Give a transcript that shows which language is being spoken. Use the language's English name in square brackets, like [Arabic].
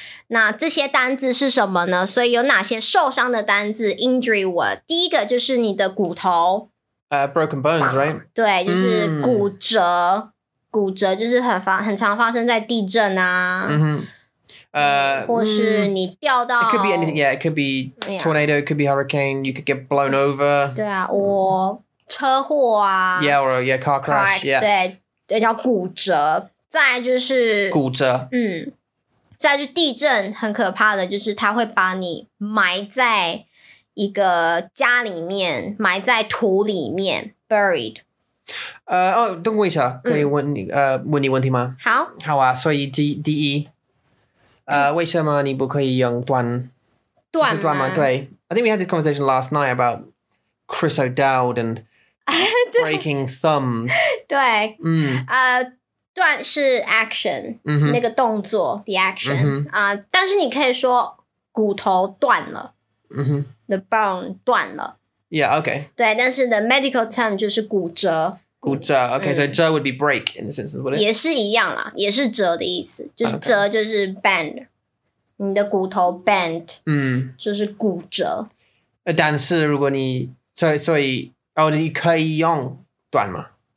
[Chinese] 那这些单字是什么呢?所以有哪些受伤的单字, [English] injury word? [Chinese] 第一个就是你的骨头, [English] broken bones, right? [Chinese] 对,就是骨折。骨折就是很常发生在地震啊, [English] mm-hmm. [Chinese] 或是你掉到, [English] it could be anything, yeah, it could be tornado, yeah. It could be hurricane, you could get blown over. [Chinese] 对啊, or 车祸啊, [English] yeah, or a car crash, yeah. [Chinese] 对,叫骨折，再来就是骨折，嗯，再来就是地震，很可怕的就是它会把你埋在一个家里面，埋在土里面 ，buried。哦，等我一下，可以问你、问你问题吗？好，好啊。所以第一，为什么你不可以用断？断吗？断吗？ [English] 对 ，I think we had this conversation last night about Chris O'Dowd and breaking thumbs. [Chinese] 对，嗯，断是 action，、 [English] mm-hmm. [Chinese] 那个动作 [English] the action [Chinese] 啊、mm-hmm. 但是你可以说骨头断了、 [English] mm-hmm. ，the bone 断了。 Yeah, okay. [Chinese] 对，但是 [English] the medical term [Chinese] 就是骨折。 [English] 骨折 ，Okay,、嗯、so 折 would be break in the sense, would it? [Chinese] 也是一样啦，也是折的意思，就是折就是 bend，、 [English] okay. [Chinese] 你的骨头 bend，嗯、mm. ，就是骨折。但是如果你所以哦，你可以用断吗？